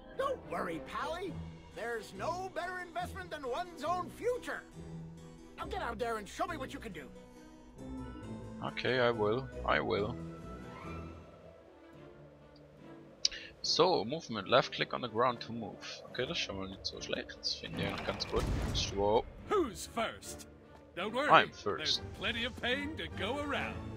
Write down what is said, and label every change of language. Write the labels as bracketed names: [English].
[English] Don't worry, Pally. There's no better investment than one's own future. Now get out there and show me what you can do. Okay, I will. I will. So, movement. Left click on the ground to move. [German] Okay, das ist schon mal nicht so schlecht. Das finde ich noch ganz gut. [English] Whoa. Who's first? Don't worry. I'm first. There's plenty of pain to go around.